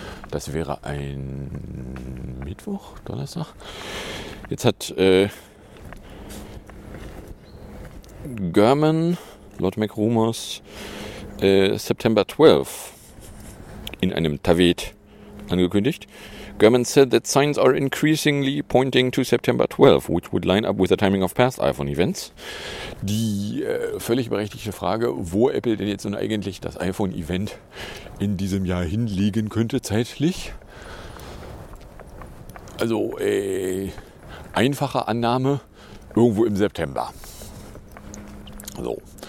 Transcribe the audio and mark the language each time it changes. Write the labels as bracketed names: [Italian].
[German] Das wäre ein Mittwoch, Donnerstag. Jetzt hat German, Lord McRumors, September 12 in einem Tavet angekündigt. [English] German said that signs are increasingly pointing to September 12, which would line up with the timing of past iPhone events. [German] Die völlig berechtigte Frage, wo Apple denn jetzt nun eigentlich das iPhone-Event in diesem Jahr hinlegen könnte zeitlich. Also einfache Annahme, irgendwo im September. So.